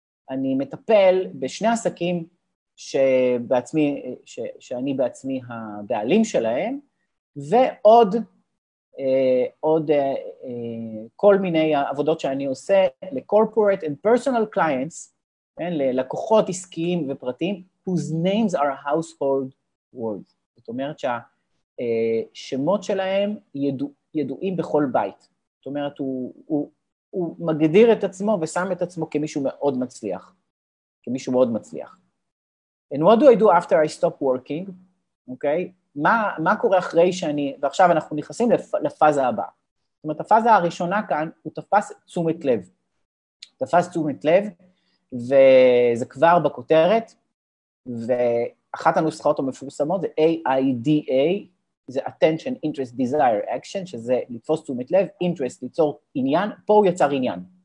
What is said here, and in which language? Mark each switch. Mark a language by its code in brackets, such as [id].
[he] אני מטפל בשני עסקים שאני בעצמי הבעלים שלהם, ועוד כל מיני עבודות שאני עושה ל- [en] corporate and personal clients, [he] כן, ללקוחות עסקיים ופרטיים, [en] whose names are household words. [he] זאת אומרת שהשמות שלהם ידועים בכל בית. זאת אומרת, הוא מגדיר את עצמו ושם את עצמו כמישהו מאוד מצליח. כמישהו מאוד מצליח. [en] And what do I do after I stop working? Okay? [he] מה קורה אחרי שאני, ועכשיו אנחנו נכנסים לפאזה הבאה. זאת אומרת, הפאזה הראשונה כאן, הוא תפס תשומת לב. תפס תשומת לב, וזה כבר בכותרת, ואחת הנוסחות המפורסמות זה AIDA, זה [en] attention, interest, desire, action, [he] שזה לתפוס תשומת לב, interest, ליצור עניין, פה הוא יצר עניין.